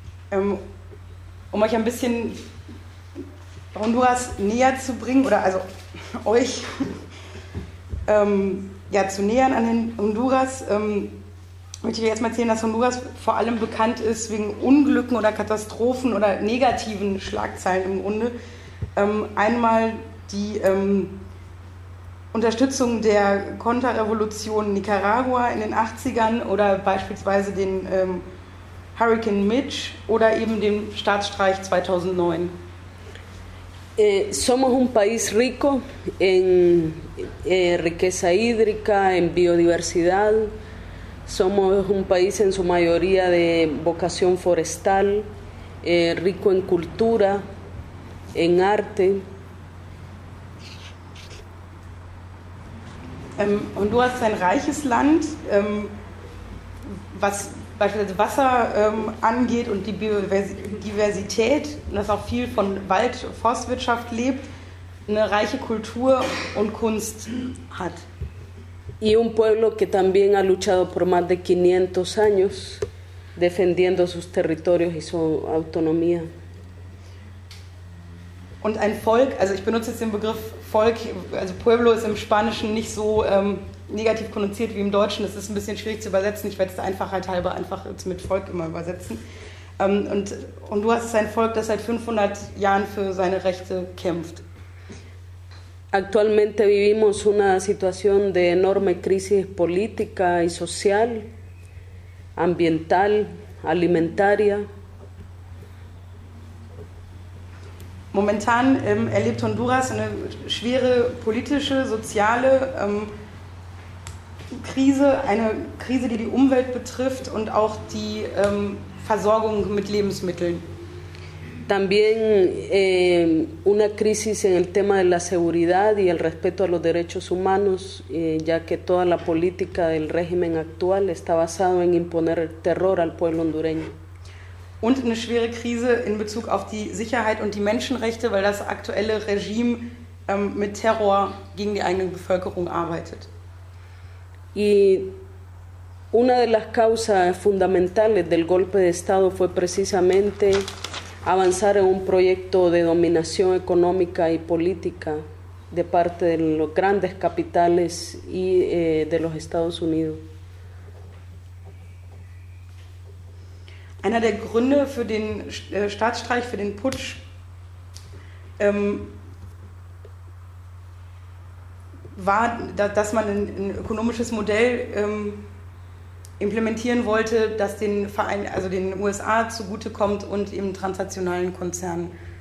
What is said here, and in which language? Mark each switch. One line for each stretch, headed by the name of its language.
German: Um euch ein bisschen Honduras näher zu bringen, oder also euch ja, zu nähern an den Honduras, möchte ich jetzt mal erzählen, dass Honduras vor allem bekannt ist wegen Unglücken oder Katastrophen oder negativen Schlagzeilen im Grunde. Einmal die Unterstützung der Konterrevolution Nicaragua in den 80ern oder beispielsweise den Hurricane Mitch oder eben dem Staatsstreich 2009.
Spanish: Somos un país rico en riqueza hídrica, en biodiversidad. Somos un país en su mayoría de vocación forestal, rico en cultura, en arte.
German: Honduras ist ein reiches Land, was beispielsweise Wasser angeht und die Biodiversität, und das auch viel von Wald- und Forstwirtschaft lebt, eine reiche Kultur und Kunst hat.
Spanish: Y un pueblo que también ha luchado por más de 500 años defendiendo sus territorios y su autonomía.
German: Und ein Volk, also ich benutze jetzt den Begriff Volk, also Pueblo ist im Spanischen nicht so negativ konnotiert wie im Deutschen. Das ist ein bisschen schwierig zu übersetzen. Ich werde es der Einfachheit halber einfach jetzt mit Volk immer übersetzen. Und du hast ein Volk, das seit 500 Jahren für seine Rechte kämpft.
Spanish: Actualmente vivimos una situación de enorme crisis política y social, ambiental, alimentaria.
German: Momentan erlebt Honduras eine schwere politische, soziale Krise, eine Krise, die die Umwelt betrifft und auch die Versorgung mit Lebensmitteln.
Spanish: También una crisis en el tema de la seguridad y el respeto a los derechos humanos, ya que toda la política del régimen actual está basada en imponer terror al pueblo hondureño.
German: Und eine schwere Krise in Bezug auf die Sicherheit und die Menschenrechte, weil das aktuelle Regime mit Terror gegen die eigene Bevölkerung arbeitet.
Spanish: Y una de las causas fundamentales del golpe de Estado fue precisamente avanzar en un proyecto de dominación económica y política de parte de los grandes capitales y de los Estados Unidos.
German: Einer der Gründe für den Staatsstreich, für den Putsch, war, dass man ein ökonomisches Modell implementieren wollte, das den Verein, also den USA zugutekommt und eben transnationalen Konzernen.